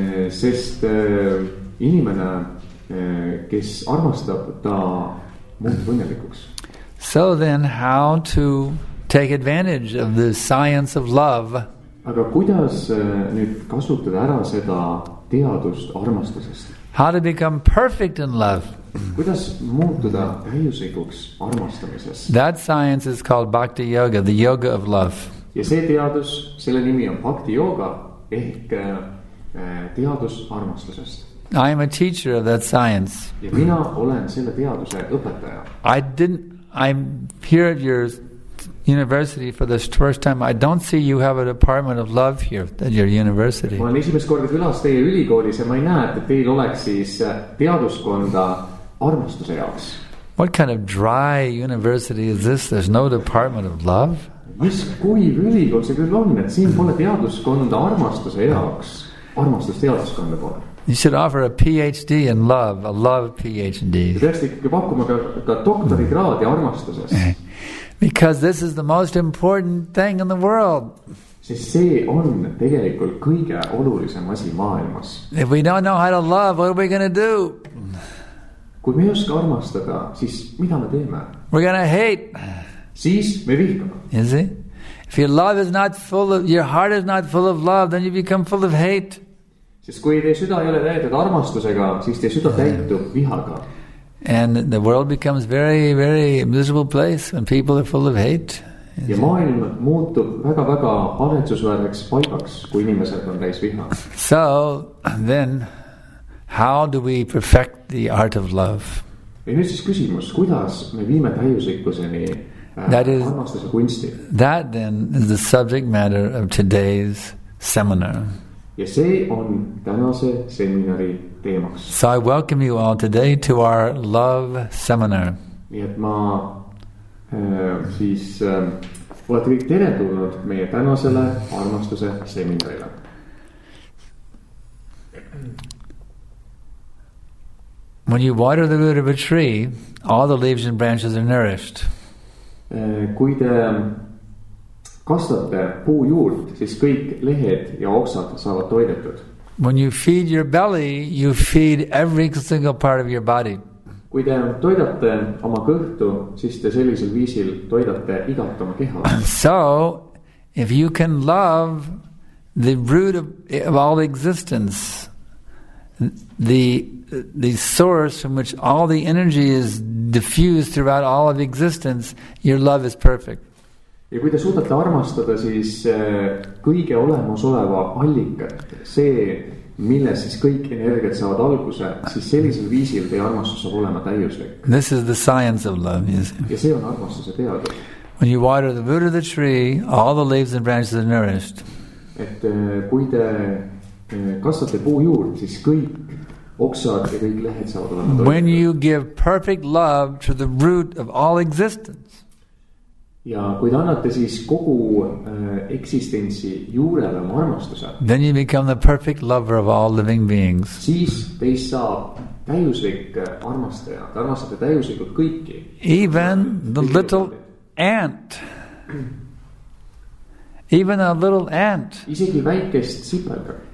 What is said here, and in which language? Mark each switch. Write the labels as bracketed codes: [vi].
[et] Sest inimene, kes armastab, ta muutub õnnelikuks. [en] So then, how to take advantage of the science of love? [et] Aga kuidas nüüd kasutada ära seda teadust armastusest? [en] How to become perfect in love? [et] Kuidas muutuda täiuslikuks armastamises? [en] That science is called Bhakti Yoga, the yoga of love. [et] Ja see teadus, selle nimi on Bhakti Yoga, ehk teadus armastusest. [en] I am a teacher of that science. [et] Ja mina olen selle teaduse õpetaja. [en] I'm here at your university for the first time. I don't see you have a department of love here at your university. [et] Ma olen esimest korda külas teie ülikoolis ja ma ei näe, et teil oleks siis teaduskonda armastuse jaoks. [en] What kind of dry university is this? There's no department of love? [et] Mis kui ülikool see küll on, et siin pole teaduskonda armastuse jaoks, armastus teaduskonda pole. [en] You should offer a PhD in love, a love PhD. [et] Ja tõesti, kui pakkuma ka doktori graadi armastuses. [en] Because this is the most important thing in the world. [et] See on tegelikult kõige olulisem asi maailmas. [en] If we don't know how to love, what are we going to do? [et] Kui me ei oska armastada, siis mida me teeme? [en] We're going to hate. [et] Siis me vihkame. [en] You see? If your love is not full of, your heart is not full of love, then you become full of hate. [et] Sest kui teie süda ei ole täidud armastusega, siis teie süda täitub vihaga. [en] And the world becomes very, very miserable place when people are full of hate. [et] Ja maailm muutub väga-väga haletsusväärneks paigaks, kui inimesed on täis viha. [en] So, then, how do we perfect the art of love? [et] Ja nüüd siis küsimus, kuidas me viime täiusikuseni armastuse kunsti? [en] That, then, is the subject matter of today's seminar. [et] Ja see on tänase seminari teemaks. [en] So I welcome you all today to our love seminar. [et] Nii et ma... siis olete kõik teretulnud meie tänasele armastuse seminarile. [en] When you water the root of a tree, all the leaves and branches are nourished. [et] Kui te kastate puu juurt, siis kõik lehed ja oksad saavad toidetud. [en] When you feed your belly, you feed every single part of your body. [et] Kui te toidate oma kõhtu, siis te sellisel viisil toidate igat oma keha. [en] So, if you can love the root of all existence, the source from which all the energy is diffused throughout all of existence, your love is perfect. [et] Ja kui te suudate armastada, siis kõige olemas oleva allikat, see... milles siis kõik energiat saavad alguse, siis sellisel viisil teie armastus saab olema täiuslik. [en] This is the science of love, yes. [et] Ja see on armastuse teadus. [en] When you water the root of the tree, all the leaves and branches are nourished. [et] Et kui te kasvate puu juurt, siis kõik oksad ja kõik lehed saavad olema toitud. [en] When you give perfect love to the root of all existence. [et] Ja kui te annate siis kogu eksistentsi juurele oma armastuse, [en] then you become the perfect lover of all living beings. [et] Siis teis saab täiuslik armastaja, te armastate täiuslikult kõiki. [en] Even the little ant. Even a little ant. [et] Isegi väikest sipelgat.